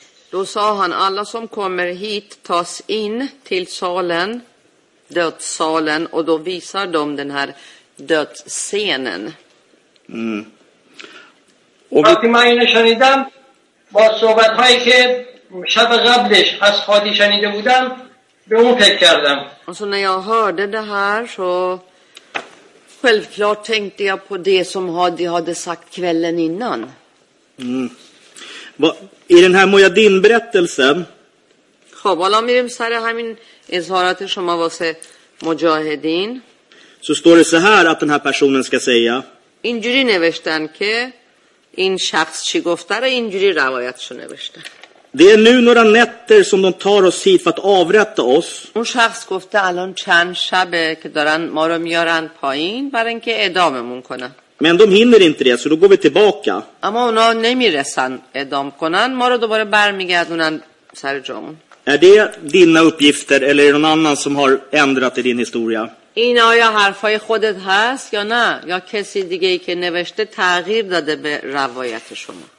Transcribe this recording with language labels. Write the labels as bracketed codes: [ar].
[sv] Då sa han, alla som kommer hit tas in till salen, dödssalen, och då visar de den här dödsscenen. Mm. [fa] وقتی من اینو شنیدم با صحبت‌هایی که شب قبلش از خادی شنیده بودم به اون فکر کردم. [sv] Alltså när jag hörde det här så självklart tänkte jag på det som Hadi hade sagt kvällen innan. I den här Mujahedin-berättelsen. [fa] خب حالا میریم سر همین اظهارات شما واسه مجاهدین. [sv] Så står det så här att den här personen ska säga. [fa] اینجوری نوشتن که این شخص چی گفته را اینجوری روایتش نوشته. [sv] Det är nu några nätter som de tar oss hit för att avrätta oss. [fa] اون شخص گفته الان چند شبه که دارن ما رو میارن پایین برای اینکه اعداممون کنن. [sv] Men de hinner inte det så då går vi tillbaka. [fa] اما اونا نمیرسن اعدام کنن ما رو دوباره برمیگردونن سر جامون. [sv] Är det dina uppgifter eller är det någon annan som har ändrat i din historia? [fa] این آیا حرفای خودت هست یا نه یا کسی دیگه ای که نوشته تغییر داده به روایت شما؟